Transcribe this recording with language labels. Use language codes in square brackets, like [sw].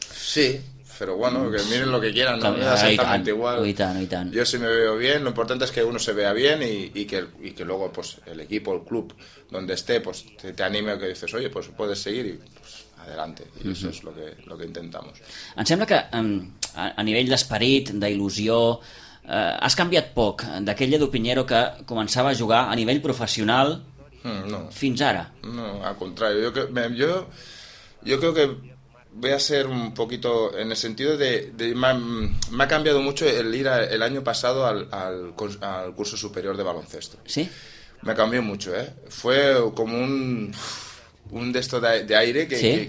[es] Sí, Pero bueno, que miren lo que quieran, ¿no? Me da exactamente igual. Yo sí me veo bien, lo importante es que uno se vea bien y que luego pues el equipo, el club donde esté, pues te anime, que dices, oye, pues puedes seguir y pues adelante. Y uh-huh. Eso es lo que intentamos. [ca] Em sembla que a nivell d'esperit, d'il·lusió, has canviat poc d'aquella de Piñero que començava a jugar a nivell professional no. Fins ara. No, al contrari. [es] Yo creo que voy a ser un poquito en el sentido de me ha cambiado mucho el ir el año pasado al curso superior de baloncesto. Sí. Me cambió mucho, ¿eh? Fue como un desto de aire que, ¿sí?